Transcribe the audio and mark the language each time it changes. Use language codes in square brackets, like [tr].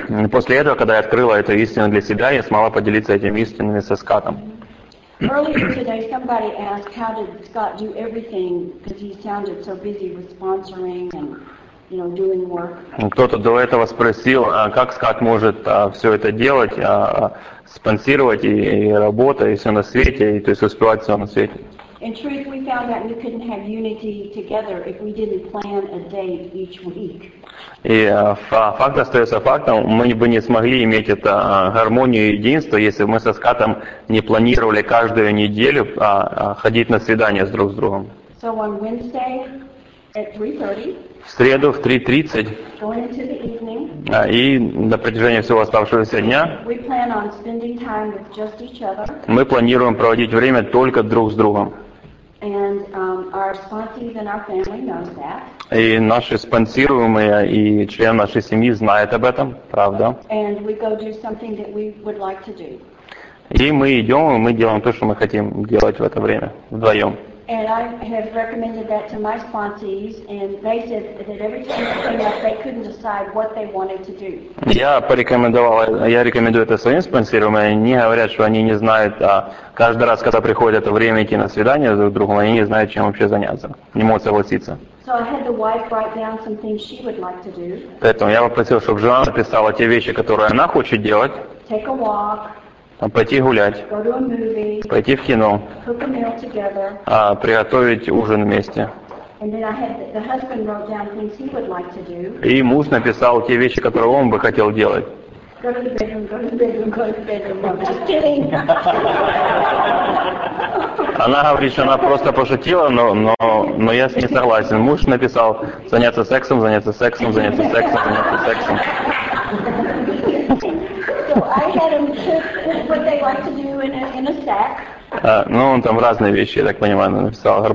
[ru] После этого, когда я открыла эту истину для себя, я смогла поделиться этими истинами со Скоттом. [en] Earlier today, somebody asked, "How did Scott do everything? Because he sounded so busy with sponsoring and, you know, doing work." [ru] Кто-то до этого спросил, как Скотт может все это делать, спонсировать и работать, и все на свете, и то есть успевать все на свете. [en] In truth, we found that we couldn't have unity together if we didn't plan a day each week. [ru] И факт остается фактом, мы бы не смогли иметь это гармонию и единство, если бы мы со Скоттом не планировали каждую неделю ходить на свидания с друг с другом. [en] So on Wednesday at 3:30. [ru] В среду в 3:30. [en] Going into the evening. [ru] И на протяжении всего оставшегося дня. [en] We plan on spending time with just each other. [ru] Мы планируем проводить время только друг с другом. [en] And our sponsors and our family knows that. [ru] И наши спонсируемые и член нашей семьи знает об этом, правда? [en] And we go do something that we would like to do. [ru] И мы идем, и мы делаем то, что мы хотим делать в это время вдвоем. [en] And I have recommended that to my sponsees, and they said that every time they came up, they couldn't decide what they wanted to do. [ru] Я рекомендую это своим спонсорам, и они говорят, что они не знают, а каждый раз, когда приходит это время идти на свидание друг с другом, они не знают, чем вообще заняться, не могут согласиться. [en] So I had the wife write down some things she would like to do. [ru] Поэтому я попросил, чтобы жена написала те вещи, которые она хочет делать. [en] Take a walk. [ru] Пойти гулять, [en] go to a movie, [ru] пойти в кино, [en] cook a meal together, [ru] приготовить ужин вместе. [en] And then I had the husband wrote down things he would like to do. [ru] И муж написал те вещи, которые он бы хотел делать. [en] Go to the bedroom, go to the bedroom, go to the bedroom. I'm just kidding. [ru] Она говорит, что она просто пошутила, но я с ней согласен. Муж написал заняться сексом, заняться сексом, заняться сексом, заняться сексом. [en] So I had him pick what they like to do in a sack. [ru] Ну, он там разные вещи, я так понимаю, написал.